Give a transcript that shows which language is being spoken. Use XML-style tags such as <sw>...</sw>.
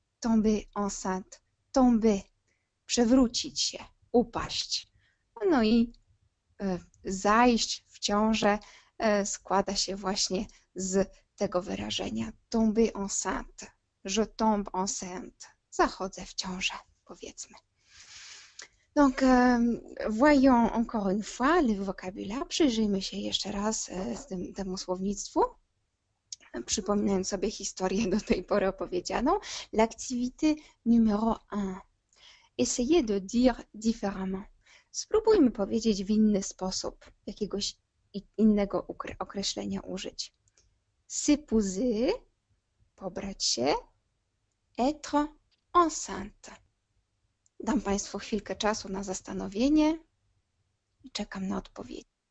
<fr>Tomber enceinte. Tomber.</fr> <pl>Przewrócić się, upaść. No i zajść w ciążę składa się właśnie z tego wyrażenia.</pl> <fr>Tomber enceinte. Je tombe enceinte.</fr> <pl>Zachodzę w ciążę, powiedzmy.</pl> <fr>Donc, voyons encore une fois le vocabulaire.</fr> <pl>Przyjrzyjmy się jeszcze raz temu słownictwu. Przypominając sobie historię do tej pory opowiedzianą.</pl> <fr>L'activité numéro un. Essayez de dire différemment.</fr> <pl>Spróbujmy powiedzieć w inny sposób, jakiegoś innego określenia użyć.</pl> <fr>S'épouser,</fr> <pl>pobrać się,</pl> <fr>être enceinte.</fr> <pl>Dam Państwu chwilkę czasu na zastanowienie i czekam na odpowiedź.</pl>